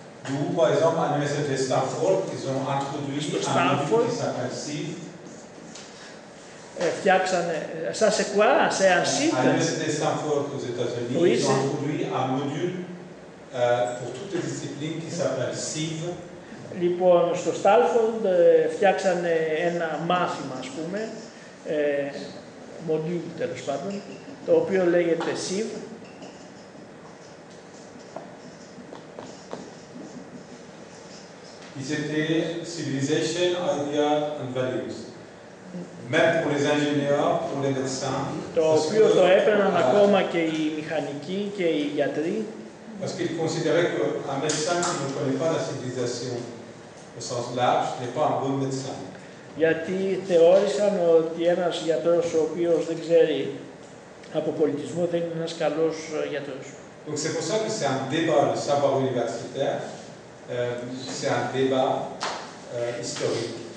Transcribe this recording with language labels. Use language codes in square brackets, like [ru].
[fr] Du coup, par exemple, à l'université de Stanford, ils ont introduit un module qui s'appelle SIV. [el] Φτιάξανε, [fr] ça c'est quoi, c'est un SIV? À l'université de Stanford aux États-Unis, oui, ils ont introduit un module pour toutes les disciplines qui s'appelle SIV. [el] Λοιπόν, στο Stanford φτιάξανε ένα μάθημα, ας πούμε, module, τέλος πάντων, το οποίο λέγεται SIV. [fr] Ils étaient civilization, idea and values. Même pour les ingénieurs, pour les médecins. [el] Το οποίο το έπαιρναν ακόμα και οι μηχανικοί και οι γιατροί. [fr] Parce qu'ils considéraient qu'un médecin qui ne connaît pas la civilisation au sens large n'est pas un bon médecin. [el] Γιατί θεώρησαν ότι ένας γιατρός ο οποίος δεν ξέρει από πολιτισμό δεν είναι ένας καλός γιατρός. [fr] Donc c'est pour ça que c'est un débat le savoir universitaire. C'est un débat historique.